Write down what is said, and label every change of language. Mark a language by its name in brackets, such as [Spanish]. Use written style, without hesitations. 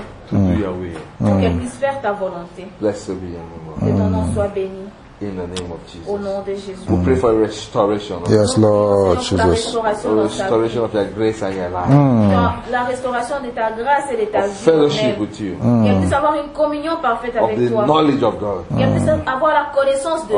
[French] Pour qu'elle puisse faire ta volonté. [English] Blessed be your name. [French] Que ton nom soit béni. [English] In the name of Jesus. [French] Au nom de Jésus. [English] We pray for restoration. Yes, Lord Jesus. For restoration of your grace and your life. [French] La restauration de ta grâce et de ta vie. [English] Fellowship with you. [French] Qu'elle puisse avoir une communion parfaite avec toi. [English] Knowledge of God. [French] Qu'elle puisse avoir la connaissance de Dieu.